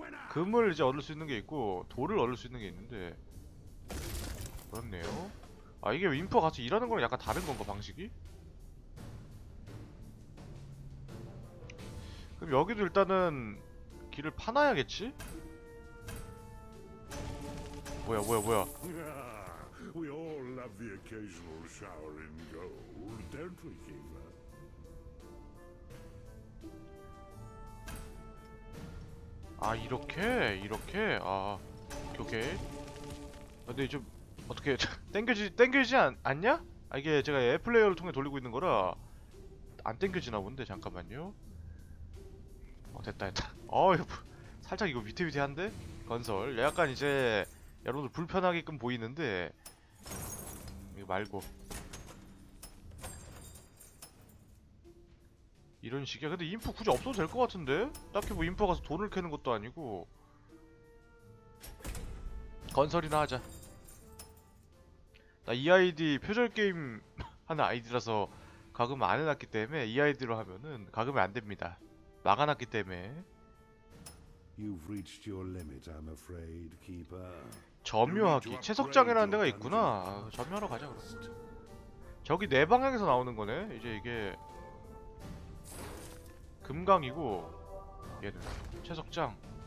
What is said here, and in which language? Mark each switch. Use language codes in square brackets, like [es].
[ko] 금을 이제 얻을 수 있는 게 있고 돌을 얻을 수 있는 게 있는데 그렇네요. 아, 이게 인프 같이 일하는 거랑 약간 다른 건가 방식이? 그럼 여기도 일단은 길을 파놔야겠지? 뭐야 뭐야 뭐야. [en] We all love the occasional shower in gold, don't we, Keeper? [ko] Ah, 이렇게, 이렇게, 아, 오케이. 근데 좀 어떻게 땡겨지지 않냐? 아, 이게 제가 애플레이어를 통해 돌리고 있는 거라 안 땡겨지나 본데 잠깐만요. 어, 됐다, 됐다. 어, 살짝 이거 비틀비틀한데 건설. 약간 이제 여러분들 불편하게끔 보이는데. 이거 말고 이런 식이야. 근데 인프 굳이 없어도 될 것 같은데? 딱히 뭐 인프 가서 돈을 캐는 것도 아니고 건설이나 하자. 나 이 아이디 표절게임 하는 아이디라서 가금 안 해놨기 때문에 이 아이디로 하면은 가금이 안 됩니다. 막아놨기 때문에. [en] You've reached your limit, I'm afraid, keeper. [ko] 점유하기. 채석장이라는 데가 있구나. 아, 점유하러 가자 그럼. 저기 내 방향에서 나오는 거네. 이제 이게 금강이고 얘는 채석장.